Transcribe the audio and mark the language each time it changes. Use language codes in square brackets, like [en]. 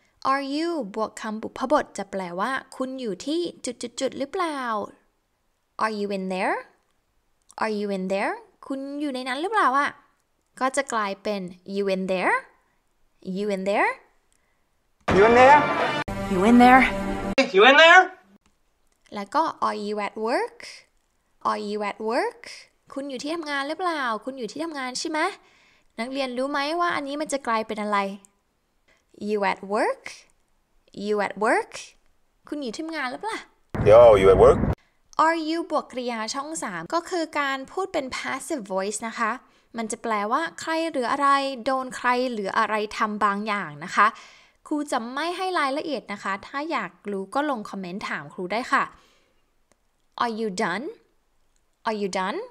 [en] Are you [th] บวกคำบุพบทจะแปลว่าคุณอยู่ที่จุดๆๆหรือเปล่า [en] Are you in there? [th] Are you in there? คุณอยู่ในนั้นหรือเปล่าอ่ะก็จะกลายเป็น [en] You in thereYou in there? You in there? You in there? You in there? [th] แล้วก็ [en] Are you at work? Are you at work? [th] คุณอยู่ที่ทำงานหรือเปล่าคุณอยู่ที่ทำงานใช่ไหมนักเรียนรู้ไหมว่าอันนี้มันจะกลายเป็นอะไร [en] You at work? You at work? [th] คุณอยู่ที่ทำงานหรือเปล่า [en] Yo, you at work? Are you [th] บวกกริยาช่อง 3ก็คือการพูดเป็น passive voice นะคะมันจะแปลว่าใครหรืออะไรโดนใครหรืออะไรทำบางอย่างนะคะครูจะไม่ให้รายละเอียดนะคะถ้าอยากรู้ก็ลงคอมเมนต์ถามครูได้ค่ะ [en] Are you done? Are you done?